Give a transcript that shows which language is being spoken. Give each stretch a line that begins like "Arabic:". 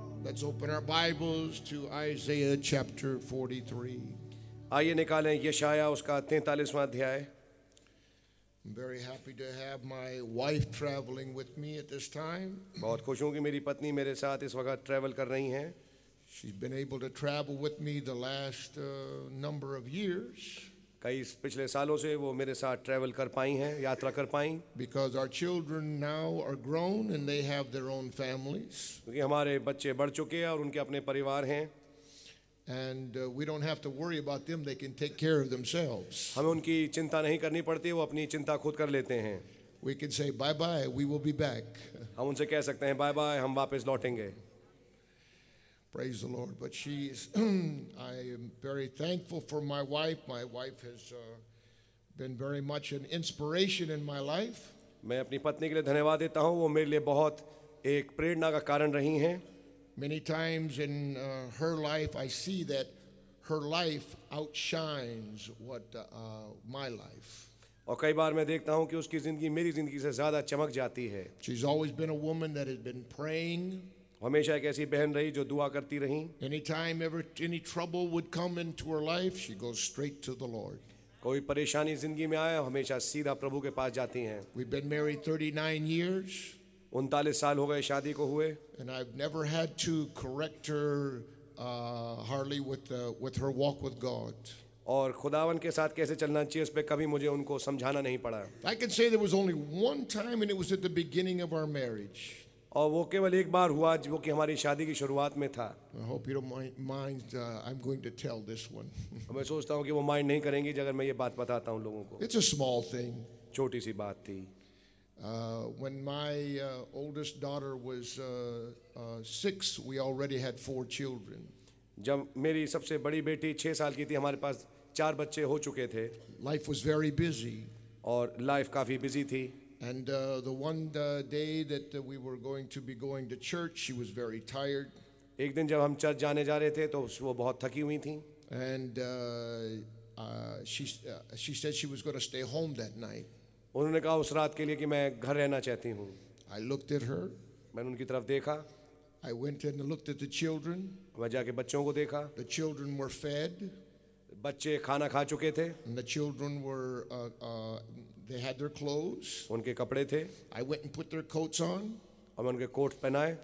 English: Let's open our Bibles to Isaiah chapter 43.
Hindi: आइए निकालें यशाया उसका 43वां अध्याय.
English: I'm very happy to have my wife traveling with me at this time.
Hindi: बहुत खुश हूं कि मेरी पत्नी मेरे साथ इस वक्त ट्रैवल कर रही हैं.
English: She's been able to travel with me the last number of years.
Hindi: कई पिछले सालों से वो मेरे साथ ट्रैवल कर पाई हैं, यात्रा कर पाई.
English: Because our children now are grown and they have their own families.
Hindi: क्योंकि हमारे बच्चे बढ़ चुके हैं और उनके अपने परिवार हैं.
English: And we don't have to worry about them, they can take care of themselves.
Hindi: हमें उनकी चिंता नहीं करनी पड़ती, वो अपनी चिंता खुद कर लेते हैं.
English: We can say bye bye, we will be back.
Hindi: हम उनसे कह सकते हैं
English: bye bye,
Hindi: हम वापस लौटेंगे.
English: Praise the Lord. But she is, I am very thankful for my wife. My wife has been very much an inspiration in my life.
Hindi: मैं अपनी पत्नी के लिए धन्यवाद देता हूँ. वो मेरे लिए बहुत एक प्रेरणा का कारण रही हैं.
English: Many times in her life, I see that her life outshines what my life.
Hindi: और कई बार मैं देखता हूँ कि उसकी जिंदगी मेरी जिंदगी से ज़्यादा चमक जाती है.
English: She's always been a woman that has been praying.
Hindi: हमेशा एक ऐसी बहन रही जो दुआ करती रही.
English: Anytime ever any trouble would come into her life, she goes straight to the Lord.
Hindi: कोई परेशानी जिंदगी में आए हमेशा सीधा प्रभु के पास जाती हैं.
English: We've been married 39 years.
Hindi: 39 साल हो गए शादी को हुए.
English: And I've never had to correct her hardly with her walk with God.
Hindi: और खुदावन के साथ कैसे चलना चाहिए उस पे कभी मुझे उनको समझाना नहीं पड़ा.
English: I can say there was only one time and it was at the beginning of our marriage.
Hindi: और वो केवल एक बार हुआ जो कि हमारी शादी की शुरुआत में था.
English: I hope you don't mind, I'm going to tell this one.
Hindi: मैं सोचता हूँ कि वो माइंड नहीं करेंगे अगर मैं ये बात बताता हूँ लोगों को.
English: It's a small thing.
Hindi: छोटी सी बात थी.
English: When my oldest daughter was six, we already had four children.
Hindi: जब मेरी सबसे बड़ी बेटी छह साल की थी हमारे पास चार बच्चे हो चुके थे.
English: Life was very busy.
Hindi: और लाइफ काफी बिजी थी.
English: And the one day that we were going to be going to church, she was very tired.
Hindi: एक दिन जब हम चर्च जाने जा रहे थे तो वो बहुत थकी हुई थी.
English: And she said she was going to stay home that night.
Hindi: उन्होंने कहा उस रात के लिए कि मैं घर रहना चाहती हूँ.
English: I looked at her.
Hindi: मैंने उनकी तरफ देखा.
English: I went and looked at the children.
Hindi: मैं जाके बच्चों को देखा.
English: The children were fed.
Hindi: बच्चे खाना खा चुके थे.
English: And the children were they had their clothes.
Hindi: उनके कपड़े थे.
English: I went and put their coats on.
Hindi: और उनके कोट पहनाए.